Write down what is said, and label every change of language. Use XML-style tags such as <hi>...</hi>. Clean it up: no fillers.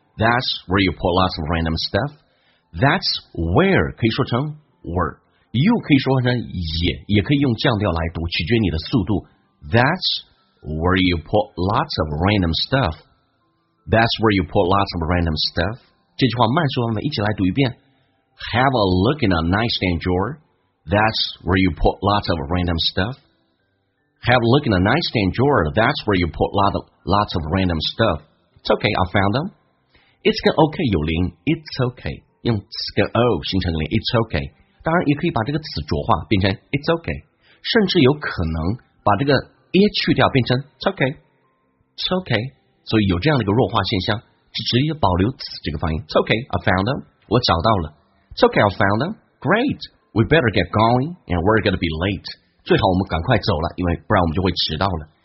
<en>That's where you put lots of random stuff. That's where</en> <zh>可以说成 where， you 可以说成也可以用降调来读，取决你的速度。</zh> <en>That's where you put lots of random stuffThat's where you put lots of random stuff.</en> <zh>这句话慢速慢慢一起来读一遍。</zh> <en>Have a look in a nightstand drawer. That's where you put lots of random stuff. Have a look in a nightstand drawer. That's where you put lots of random stuff. It's okay, I found them. It's okay,</en> <zh>跟 okay 有连音。</zh> <en>It's okay.</en> <zh>用 跟 o 形成连音。</zh> <en>It's okay.</en> <zh>当然也可以把这个词浊化变成</zh> <en>it's okay.</en> <zh>甚至有可能把这个 a 去掉变成</zh> <en>it's okay. It's okay.</en> <zh>所以有这样的一个弱化现象，只直接保留此这个发音。</zh> <en>It's okay, I found them.</en> <zh>我找到了。</zh> <en>It's okay, I found them. Great. We better get going, and we're going to be late.</en> <zh>最好我们赶快走了，因为不然我们就会迟到了。</zh>